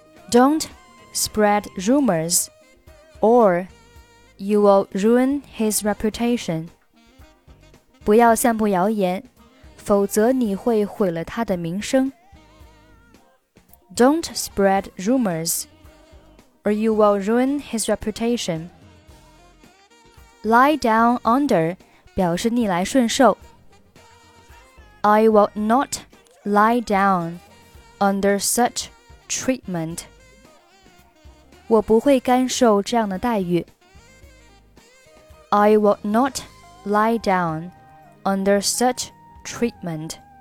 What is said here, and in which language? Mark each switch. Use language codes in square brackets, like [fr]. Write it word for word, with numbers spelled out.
[en] Don't spread rumors, or you will ruin his reputation. [zh] 不要散布谣言，否则你会毁了他的名声。 [en] Don't spread rumors, or you will ruin his reputation. Lie down under [zh] 表示逆来顺受。 [en] I will not lie down under such treatment. [zh] 我不会甘受这样的待遇。 [en] I will not lie down under such treatment.